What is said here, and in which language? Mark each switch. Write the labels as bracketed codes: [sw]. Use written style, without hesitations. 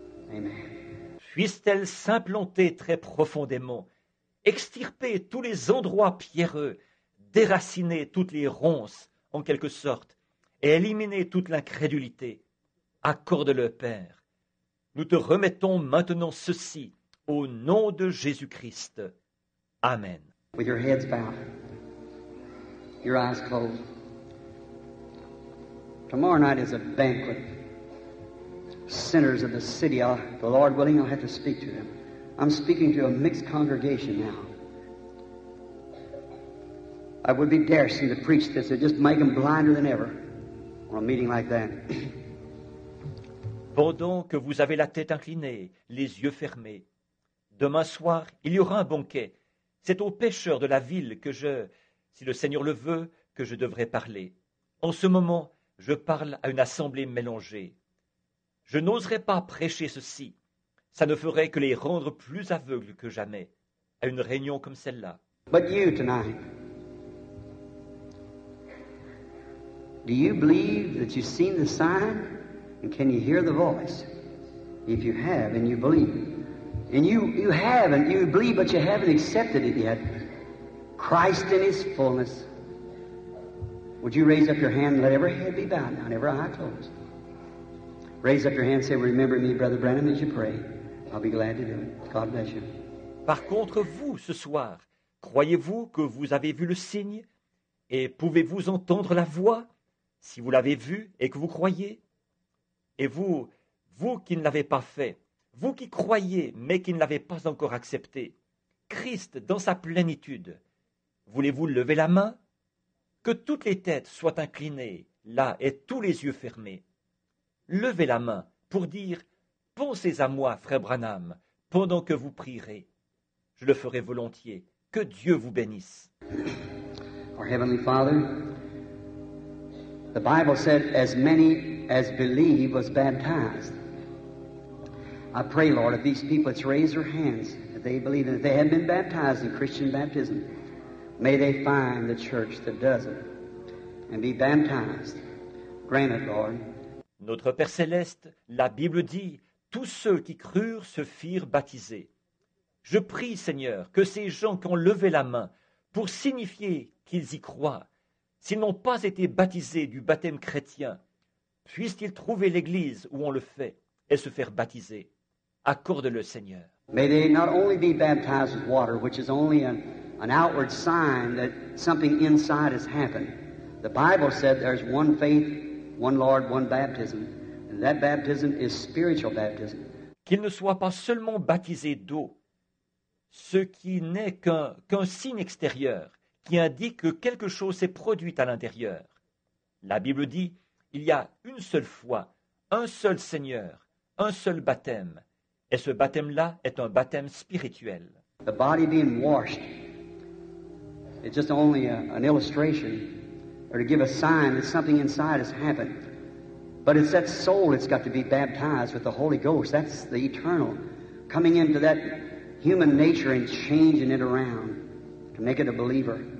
[en] Amen. [fr] Puissent-elles s'implanter très profondément, extirper tous les endroits pierreux, déraciner toutes les ronces, en quelque sorte, et éliminer toute l'incrédulité. Accorde-le, Père. Nous te remettons maintenant ceci, au nom de Jésus-Christ. Amen. [en] With your heads bowed, your eyes closed. Tomorrow night is a banquet. Sinners of the city, the Lord willing, I'll have to speak to them. I'm speaking to a mixed congregation now. I would be daring to preach this. It'd just make them blinder than ever on a meeting like that. [fr] Pendant que vous avez la tête inclinée, les yeux fermés, demain soir, il y aura un banquet. C'est aux pêcheurs de la ville que je, si le Seigneur le veut, que je devrais parler. En ce moment, je parle à une assemblée mélangée. Je n'oserais pas prêcher ceci. Ça ne ferait que les rendre plus aveugles que jamais à une réunion comme celle-là. [en] But you tonight. Do you believe that you've seen the sign? And can you hear the voice? If you have and you believe, and you have and you believe, but you haven't accepted it yet, Christ in his fullness, would you raise up your hand and let every head be bowed now and every eye closed? Raise up your hand and say, remember me, Brother Branham, as you pray. I'll be glad to do it. God bless you. [fr] Par contre, vous, ce soir, croyez-vous que vous avez vu le signe et pouvez-vous entendre la voix? Si vous l'avez vu et que vous croyez, et vous qui ne l'avez pas fait, vous qui croyez mais qui ne l'avez pas encore accepté, Christ dans sa plénitude, voulez-vous lever la main? Que toutes les têtes soient inclinées, là et tous les yeux fermés. Levez la main pour dire, pensez à moi, frère Branham, pendant que vous prierez. Je le ferai volontiers, Que Dieu vous bénisse. [en] Our Heavenly Father, the Bible said, as many as believe was baptized. I pray, Lord, if these people that's raised their hands, that they believe that they have been baptized in Christian baptism, may they find the church that does it and be baptized. Grant it, Lord. [fr] Notre Père Céleste, la Bible dit, tous ceux qui crurent se firent baptiser. Je prie, Seigneur, que ces gens qui ont levé la main pour signifier qu'ils y croient, s'ils n'ont pas été baptisés du baptême chrétien, puissent-ils trouver l'église où on le fait et se faire baptiser. Accorde-le, Seigneur. [en] May they not only be baptized with water, which is only an outward sign that something inside has happened. The Bible said there's one faith, one Lord, one baptism, and that baptism is spiritual baptism. [fr] Qu'ils ne soient pas seulement baptisés d'eau, ce qui n'est qu'un signe extérieur qui indique que quelque chose s'est produit à l'intérieur. La Bible dit, il y a une seule foi, un seul Seigneur, un seul baptême, et ce baptême-là est un baptême spirituel. [en] The body being washed, it's just only an illustration or to give a sign that something inside has happened. But it's that soul that's got to be baptized with the Holy Ghost. That's the eternal coming into that human nature and changing it around to make it a believer.